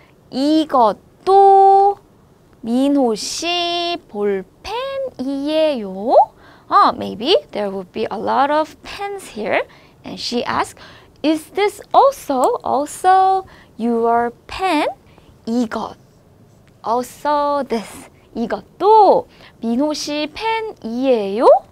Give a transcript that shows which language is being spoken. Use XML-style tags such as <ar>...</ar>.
<ko>이것도 민호 씨 볼펜이에요.</ko> <en>Oh, maybe there would be a lot of pens here. And she asked, is this also your pen? 이것, also this.</en> <ko>이것도 민호 씨 펜이에요?</ko>